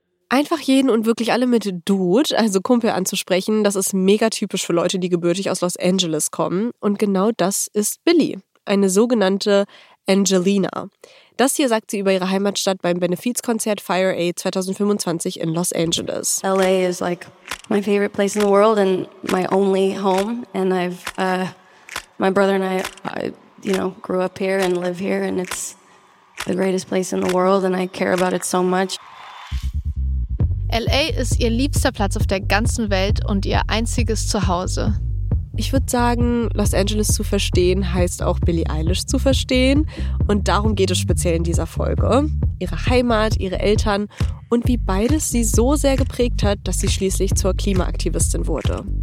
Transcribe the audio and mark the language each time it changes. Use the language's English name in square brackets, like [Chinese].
[German] Einfach jeden und wirklich alle mit Dude, also Kumpel, anzusprechen, das ist mega typisch für Leute, die gebürtig aus Los Angeles kommen. Und genau das ist Billie, eine sogenannte Angelina. Das hier sagt sie über ihre Heimatstadt beim Benefizkonzert Fire Aid 2025 in Los Angeles. [English] LA is like my favorite place in the world and my only home. And I've, my brother and I, you know, grew up here and live here. And it's the greatest place in the world and I care about it so much. [German] LA ist ihr liebster Platz auf der ganzen Welt und ihr einziges Zuhause. Ich würde sagen, Los Angeles zu verstehen, heißt auch Billie Eilish zu verstehen. Und darum geht es speziell in dieser Folge. Ihre Heimat, ihre Eltern und wie beides sie so sehr geprägt hat, dass sie schließlich zur Klimaaktivistin wurde.